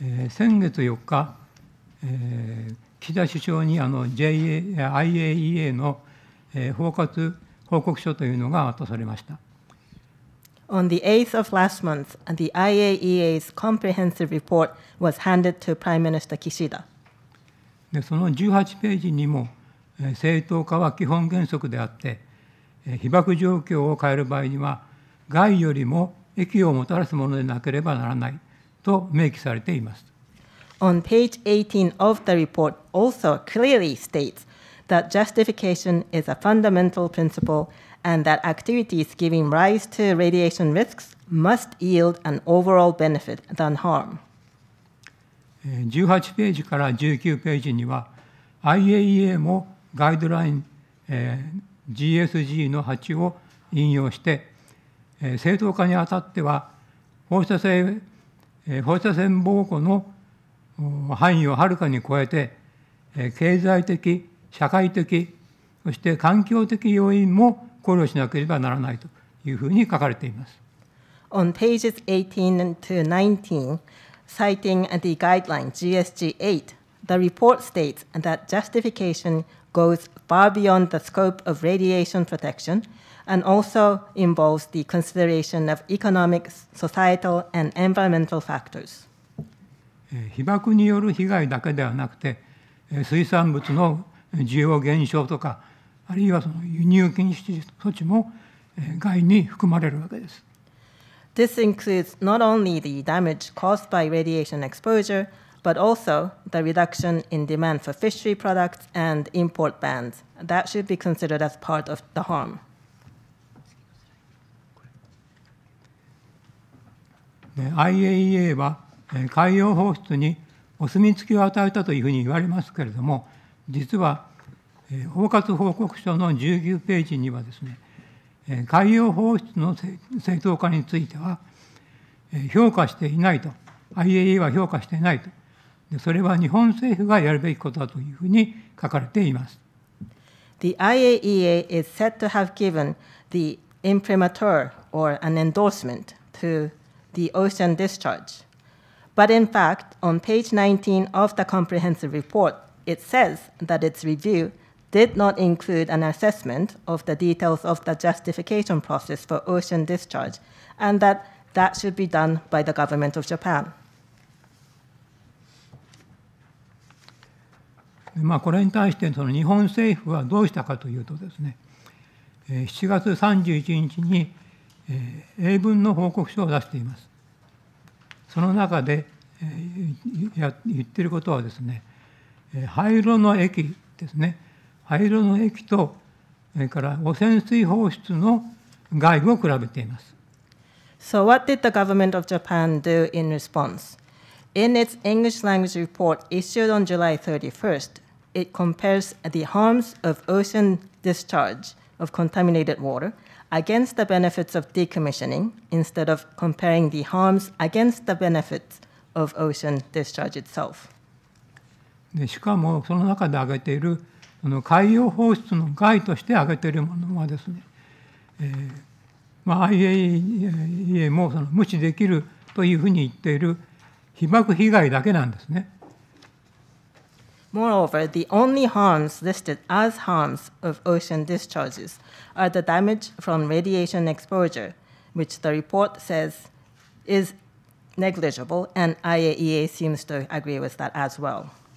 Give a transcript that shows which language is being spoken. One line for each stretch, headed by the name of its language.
Japanese: 先月4日、岸田首相にあの IAEA の包括報告書というのが渡されました。
English: On the 8th of last month, the IAEA's comprehensive report was handed to Prime Minister Kishida.
Japanese: で、その18ページにも、正当化は基本原則であって、被爆状況を変える場合には、害よりも益をもたらすものでなければならないと明記されています。
English: On page 18 of the report also clearly states that justification is a fundamental principle and that activities giving rise to radiation risks must yield an overall benefit than harm.
Japanese: 18ページから19ページには IAEA もガイドライン、GSG の8を引用して、正当化にあたっては放射線防護の範囲をはるかに超えて、経済的、社会的、そして環境的要因も考慮しなければならないというふうに書かれています。
English: On pages 18 to 19, citing the guideline GSG 8, the report states that justification goes far beyond the scope of radiation protection and also involves the consideration of economic, societal and environmental factors.
Japanese: 被爆による被害だけではなくて、水産物の需要減少とか、あるいはその輸入禁止措置も害に含まれるわけです。
English: This includes not only the damage caused by radiation exposure, but also the reduction in demand for fishery products and import bans. That should be considered as part of the harm.
Japanese: IAEA は海洋放出にお墨付きを与えたというふうに言われますけれども、実は包括報告書の19ページにはですね、海洋放出の正当化については評価していないと、IAEA は評価していないと、それは日本政府がやるべきことだというふうに書かれています。
English: The IAEA is said to have given the imprimatur or an endorsement to the ocean discharge. But in fact, on page 19 of the comprehensive report, it says that its review did not include an assessment of the details of the justification process for ocean discharge, and that that should be done by the government of Japan.
Japanese: これに対して日本政府はどうしたかというとですね、7月31日に英文の報告書を出しています。その中で言っていることはですね、廃炉の液ですね、廃炉の液と、それから汚染水放出の害を比べています。
English: So what did the government of Japan do in response? In its English language report issued on July 31st, it compares the harms of ocean discharge of contaminated water against the benefits of decommissioning instead of comparing the harms against the benefits. Of ocean discharge itself.
Japanese: でしかもその中で挙げているその海洋放出の害として挙げているものはですね、IAEA もその無視できるというふうに言っている被爆被害だけなんですね。
English: Moreover, the only harms listed as harms of ocean discharges are the damage from radiation exposure, which the report says isNegligible, and IAEA seems to agree with that as well.